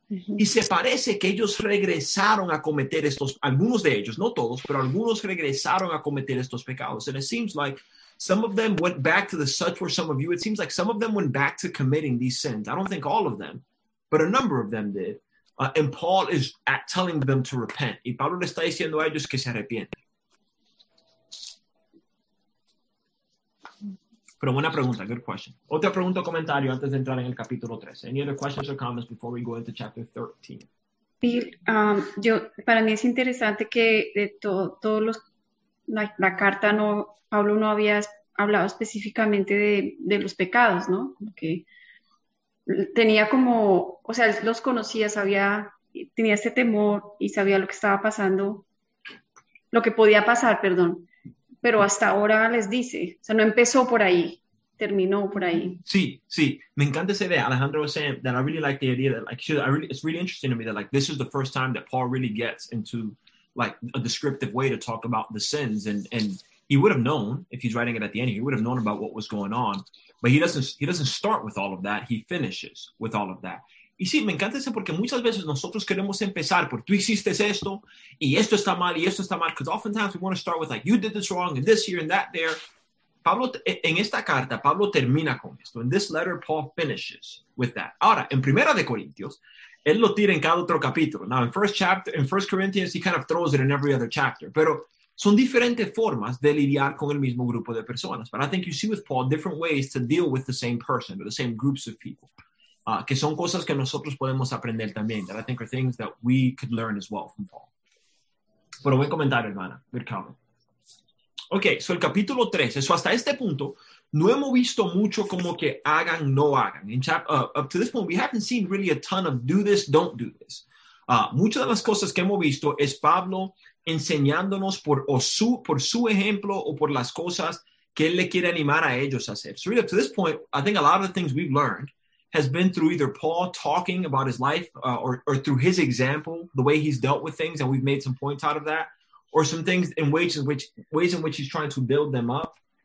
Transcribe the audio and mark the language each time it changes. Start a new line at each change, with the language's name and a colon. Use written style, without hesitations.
Spanish: Y se parece que ellos regresaron a cometer estos, algunos de ellos, no todos, pero algunos regresaron a cometer estos pecados.
English: And it seems like some of them went back to the such were some of you. It seems like some of them went back to committing these sins. I don't think all of them, but a number of them did. And Paul is telling them to repent.
Spanish: Y Pablo le está diciendo a ellos que se arrepienten. Pero buena pregunta,
English: good question.
Spanish: Otra pregunta o comentario antes de entrar en el capítulo 13.
English: Any other questions or comments before we go into chapter 13?
Spanish: Bill, para mí es interesante que de todos los, la carta, no, Pablo no había hablado específicamente de los pecados, ¿no? Que tenía como, o sea, los conocía, sabía, tenía este temor y sabía lo que estaba pasando, lo que podía pasar, perdón. Pero hasta ahora les dice, o sea, no empezó por ahí, terminó por ahí. Sí, sí, me encanta esa idea.
English: Alejandro was saying that I really like the idea that, like, it's really interesting to me that, like, this is the first time that Paul really gets into, like, a descriptive way to talk about the sins. And he would have known, if he's writing it at the end, he would have known about what was going on. But he doesn't start with all of that. He finishes with all of that.
Spanish: Y sí, me encanta eso porque muchas veces nosotros queremos empezar por tú hiciste esto y esto está mal y esto está mal.
English: Because oftentimes we want to start with, like, you did this wrong and this here and that there.
Spanish: Pablo, en esta carta, Pablo termina con esto.
English: In this letter, Paul finishes with that.
Spanish: Ahora, en Primera de Corintios, él lo tira en cada otro capítulo.
English: Now, in First Corinthians, he kind of throws it in every other chapter.
Spanish: Pero Son diferentes formas de lidiar con el mismo grupo de personas.
English: But I think you see with Paul different ways to deal with the same person, or the same groups of people,
Spanish: que son cosas que nosotros podemos aprender también,
English: that I think are things that we could learn as well from Paul.
Spanish: Pero buen comentario, hermana.
English: Good comment. Okay, so
Spanish: el capítulo 13. So hasta este punto, no hemos visto mucho como que hagan, no hagan.
English: In up to this point, we haven't seen really a ton of do this, don't do this.
Spanish: Muchas de las cosas que hemos visto es Pablo enseñándonos por su ejemplo o por las cosas que él le quiere animar a ellos a hacer.
English: So really up to this point, I think a lot of the things we've learned has been through either Paul talking about his life or through his example, the way he's dealt with things, and we've made some points out of that, or some things in ways in which he's trying to build them up.